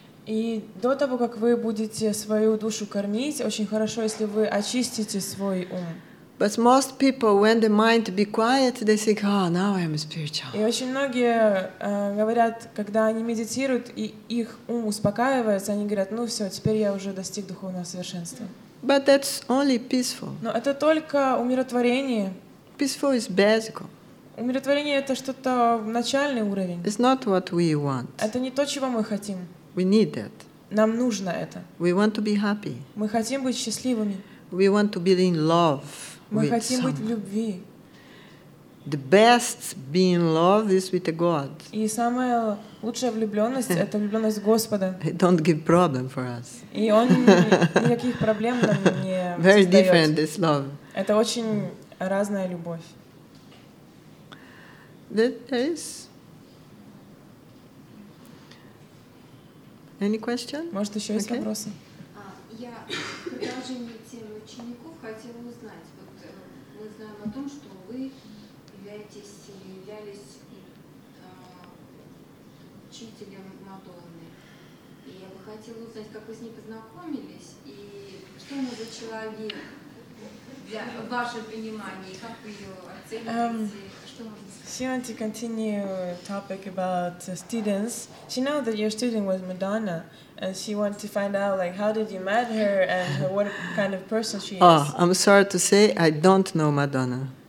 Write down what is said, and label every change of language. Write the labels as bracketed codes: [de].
[ru] И до того, как вы будете свою душу кормить, очень хорошо, если вы очистите свой ум. [en] But most people, when the mind be quiet, they think, "Oh, now I am spiritual." [ru] И очень многие говорят, когда они медитируют и их ум успокаивается, они говорят: "Ну все, теперь я уже достиг духовного совершенства." [en] But that's only peaceful. [ru] Но это только умиротворение. [en] Peaceful is basical. [ru] Умиротворение это что-то начальный уровень. [en] It's not what we want. [ru] Это не то, чего мы хотим. [en] We need that. [ru] Нам нужно это. [en] We want to be happy. [ru] Мы хотим быть счастливыми. [en] We want to be in love. [ru] Мы хотим быть в любви. [en] The best being love is with the God. [ru] И самая лучшая влюбленность это влюбленность в Господа. [en] It don't give problem for us. [ru] И он никаких проблем нам не создает. [en] Very different this love. [ru] Это очень разная любовь. [en] There is any question? [ru] Может, еще есть вопросы? Я продолжение темы учеников хотела узнать. Вот мы знаем о том, что вы являетесь или являлись учителем Мадонны. И я бы хотела узнать, как вы с ней познакомились и что он за человек для вашего понимания, как вы ее оцениваете. [en] She wants to continue topic about students. She knows that your student was Madonna, and she wants to find out like how did you met her and what kind of person she is. Oh, I'm sorry to say, I don't know Madonna.